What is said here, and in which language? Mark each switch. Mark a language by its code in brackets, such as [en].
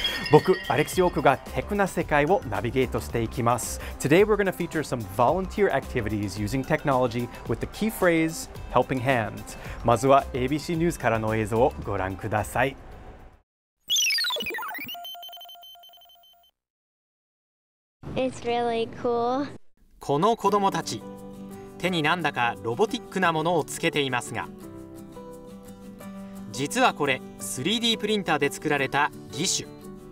[ja] 僕、アレクシオークがテクな世界をナビゲートしていきます。 [en] Today we're going to feature some volunteer activities using technology with the key phrase, helping hands. [ja] まずは ABC ニュースからの映像をご覧ください。 [en] It's really cool. [ja] この子供たち、手になんだかロボティックなものをつけていますが、実はこれ 3D プリンターで作られた義手。